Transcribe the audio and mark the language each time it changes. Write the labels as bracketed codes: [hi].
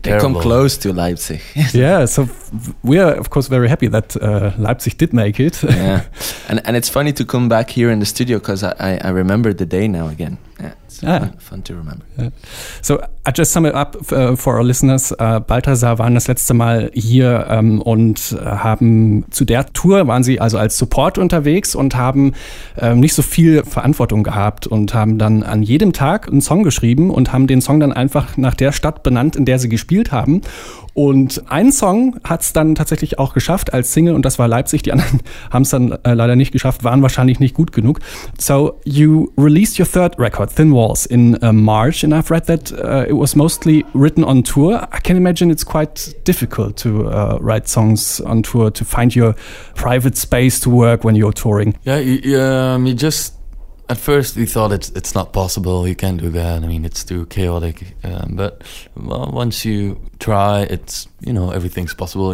[en] They come close to Leipzig. Yeah. So we are, of course, very happy that Leipzig did make it. Yeah. And it's funny to come back here in the studio because I remember the day now again. Yeah, it's fun to remember. Yeah. So I just sum it up for our listeners. [de] Balthasar waren das letzte Mal hier und haben zu der Tour, waren sie also als Support unterwegs und haben nicht so viel Verantwortung gehabt und haben dann an jedem Tag einen Song geschrieben und haben den Song dann einfach nach der Stadt benannt, in der sie gespielt haben. Und ein Song hat es dann tatsächlich auch geschafft als Single und das war Leipzig. Die anderen haben es dann leider nicht geschafft, waren wahrscheinlich nicht gut genug. [en] So you released your third record, Thin Walls, in March and I've read that it was mostly written on tour. I can imagine it's quite difficult to write songs on tour, to find your private space to work when you're touring. Yeah, you just, at first we thought it's not possible, you can't do that, I mean it's too chaotic, but well, once you try, it's, you know, everything's possible.